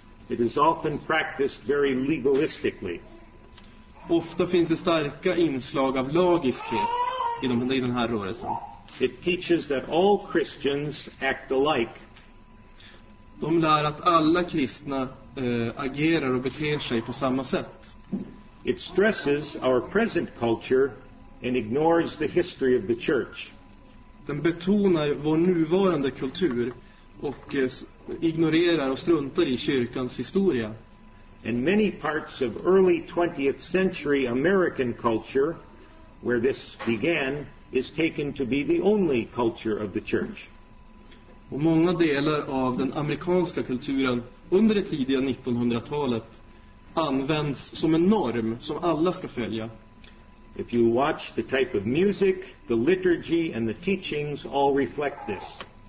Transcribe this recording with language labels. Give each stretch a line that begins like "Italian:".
English: It is often practiced very legalistically.
Swedish: Ofta finns det starka inslag av lagiskhet i den här rörelsen.
English: It teaches that all Christians act alike.
Swedish: De lär att alla kristna agerar och beter sig på samma sätt.
English: It stresses our present culture and ignores the history of the church.
Swedish: Den betonar vår nuvarande kultur och ignorerar och struntar i kyrkans historia.
English: And many parts of early 20th century American culture, where this began, is taken to be the only culture of the church.
Swedish: Och många delar av den amerikanska kulturen under det tidiga 1900-talet används som en norm som alla ska följa.
English: If you watch the type of music, the liturgy and the teachings all reflect this.